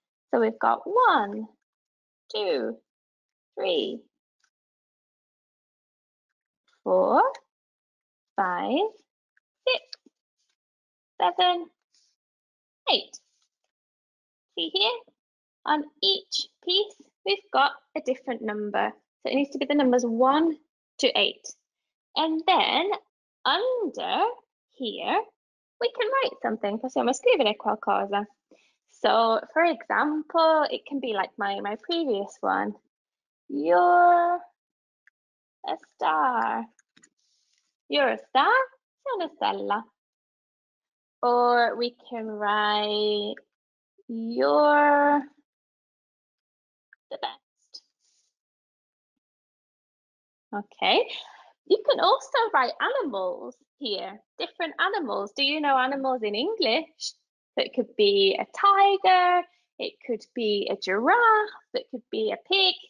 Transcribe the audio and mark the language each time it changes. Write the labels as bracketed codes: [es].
[en] So we've got 1, 2, 3, 4, 5, 6, 7, 8. See here, on each piece, we've got a different number. So it needs to be the numbers 1 to 8. And then under here, we can write something, [it] possiamo scrivere qualcosa. [en] So for example, it can be like my previous one. You're a star. You're a star, [it] sei una stella. [en] Or we can write, you're the best. Okay. You can also write animals here, different animals. Do you know animals in English? It could be a tiger, it could be a giraffe, it could be a pig.